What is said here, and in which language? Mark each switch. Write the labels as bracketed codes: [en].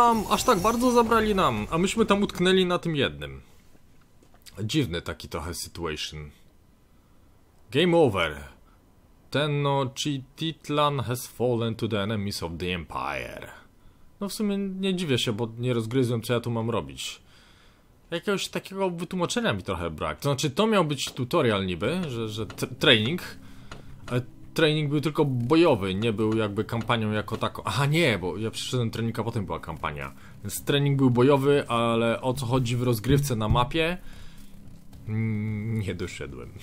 [pl] Aż tak bardzo zabrali nam. A myśmy tam utknęli na tym jednym. Dziwny taki trochę situation. [en] Game over. Tenochtitlan has fallen to the enemies of the Empire. [pl] No w sumie nie dziwię się, bo nie rozgryzłem, co ja tu mam robić. Jakiegoś takiego wytłumaczenia mi trochę brak. To znaczy, to miał być tutorial niby, że training. Ale training był tylko bojowy, nie był jakby kampanią jako taką. Aha, nie, bo ja przyszedłem trening, a potem była kampania. Więc training był bojowy, ale o co chodzi w rozgrywce na mapie? Nie doszedłem.